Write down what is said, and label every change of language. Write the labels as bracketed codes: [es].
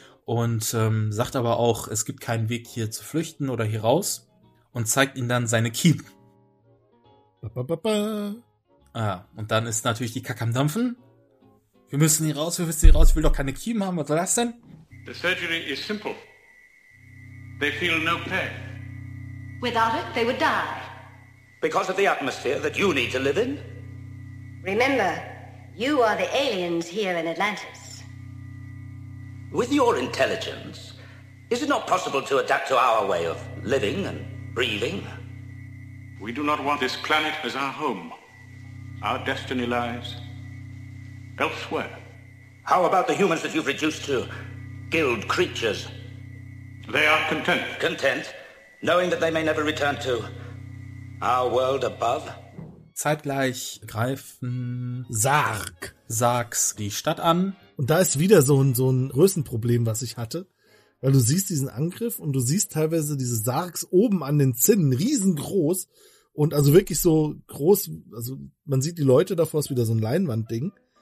[de] Und sagt aber auch, es gibt keinen Weg hier zu flüchten oder hier raus. Und zeigt ihnen dann seine Keep. Ba, ba, ba, ba. Ah, und dann ist natürlich die Kacke am Dampfen. Wir müssen hier raus, ich will doch keine Keep haben, was soll das denn? [en] The surgery is simple. They feel no pain. Without it, they would die. Because of the atmosphere that you need to live in? Remember, you are the aliens here in Atlantis. With your intelligence, is it not possible to adapt to our way of living and breathing? We do not want this planet as our home. Our destiny lies elsewhere. How about the humans that you've reduced to guild creatures? They are content. Content? Knowing that they may never return to our world above. [de] Zeitgleich greifen Sargs die Stadt an. Und da ist wieder so ein Größenproblem, was ich hatte. Weil du siehst diesen Angriff und du siehst teilweise diese Sargs oben an den Zinnen riesengroß. Und also wirklich so groß, also man sieht die Leute davor, ist wieder so ein Leinwandding.